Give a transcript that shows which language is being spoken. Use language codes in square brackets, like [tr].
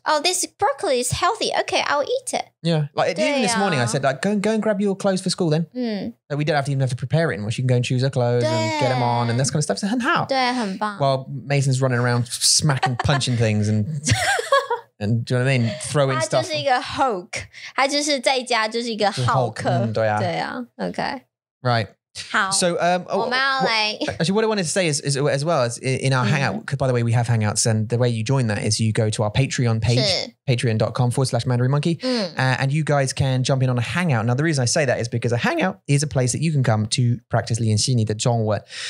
[en] Oh, this broccoli is healthy. Okay, I'll eat it. Yeah, like even this morning, I said like go and grab your clothes for school then. Mm. Like, we don't even have to prepare it anymore. She can go and choose her clothes and get them on and this kind of stuff. So [zh] 很好，对，很棒。 [en] While Mason's running around smacking, punching things and. And do you know what I mean? Throw in stuff. [zh] 他就是一个 Hulk. 他就是在家就是一个浩克。对啊。对啊。 [en] Okay. Right. [zh] 好。 [en] So, [zh] 我们要来。 [en] Actually, what I wanted to say is as well as in our hangout, because by the way, we have hangouts, and the way you join that is you go to our Patreon page, patreon.com/mandarinmonkey, and you guys can jump in on a hangout. Now, the reason I say that is because a hangout is a place that you can come to practice [zh] 练习你的中文。